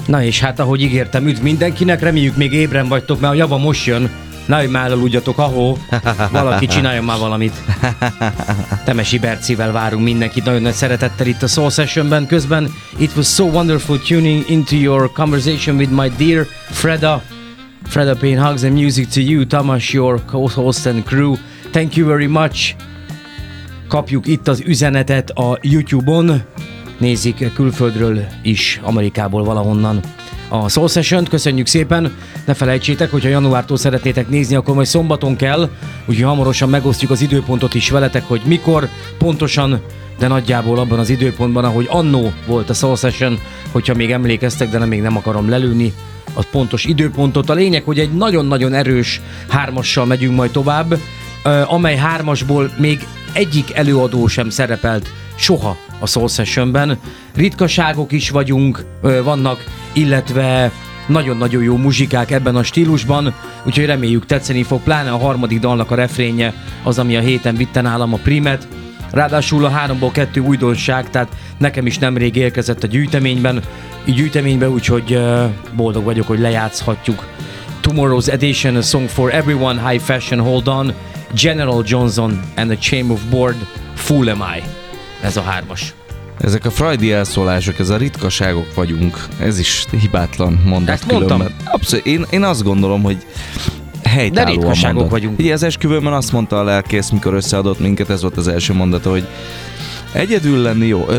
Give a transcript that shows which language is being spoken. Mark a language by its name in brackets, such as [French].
[Hungarian] Na és hát, ahogy ígértem, üdv mindenkinek, reméljük még ébren vagytok, mert a java most jön. Na, hogy már elaludjatok, ahó, valaki csináljon már valamit. Temesi Bercivel várunk mindenkit, nagyon szeretettel itt a Soul Sessionben közben. [English] It was so wonderful tuning into your conversation with my dear Freda. Freda Payne, hugs and music to you, Tamás, your co-host and crew. Thank you very much. [Hungarian] Kapjuk itt az üzenetet a YouTube-on. Nézik külföldről is, Amerikából valahonnan. A Soul Session-t köszönjük szépen. Ne felejtsétek, hogyha januártól szeretnétek nézni, akkor majd szombaton kell, úgyhogy hamarosan megosztjuk az időpontot is veletek, hogy mikor pontosan, de nagyjából abban az időpontban, ahogy annó volt a Soul Session, hogyha még emlékeztek, de még nem akarom lelőni a pontos időpontot. A lényeg, hogy egy nagyon-nagyon erős hármassal megyünk majd tovább, amely hármasból még egyik előadó sem szerepelt soha a Soul Sessionben. Ritkaságok is vannak, illetve nagyon-nagyon jó muzsikák ebben a stílusban, úgyhogy reméljük tetszeni fog, pláne a harmadik dalnak a refrénje az, ami a héten vitte nálam a primet. Ráadásul a háromból kettő újdonság, tehát nekem is nemrég érkezett a gyűjteményben, úgyhogy boldog vagyok, hogy lejátszhatjuk. [English] Tomorrow's Edition, a song for everyone, high fashion, hold on, General Johnson and the Chain of Board, Fool Am I. [Hungarian] Ez a hármas. Ezek a freudi elszólások, ez a ritkaságok vagyunk. Ez is hibátlan mondat. Ezt mondtam. Abszolút, én azt gondolom, hogy helytálló. De ritkaságok mondat. Vagyunk. Igen, az esküvőben azt mondta a lelkész, mikor összeadott minket, ez volt az első mondata, hogy egyedül lenni jó.